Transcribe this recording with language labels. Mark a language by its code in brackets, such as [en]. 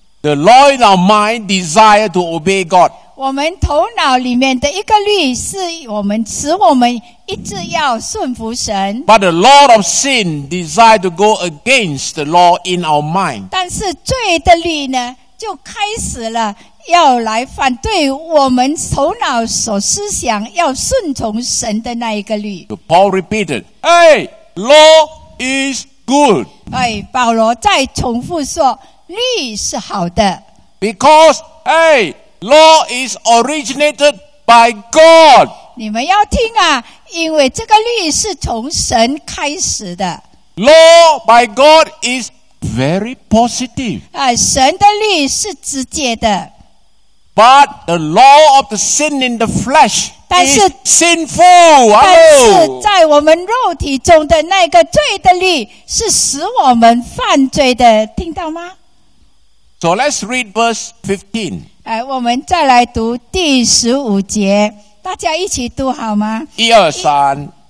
[en] The law in our mind desire to obey God. [zh] 我们头脑里面的一个律是我们使我们一直要顺服神。 [en] But the law of sin desire to go against the law in our mind. [zh] 但是罪的律呢，就开始了要来反对我们头脑所思想要顺从神的那一个律。 [en] So Paul repeated, "Hey, law is good." [zh] 保罗再重复说。律是好的 [en] ，because hey, law is originated by God. [zh] 你们要听啊，因为这个律是从神开始的。 [en] Law by God is very positive. [zh] 神的律是直接的。 [en] But the law of the sin in the flesh is sinful. [zh] 但是在我们肉体中的那个罪的律是使我们犯罪的，听到吗？ [en] So let's read verse 15. [zh] 我们再来读第十五节，大家一起读好吗？一二三。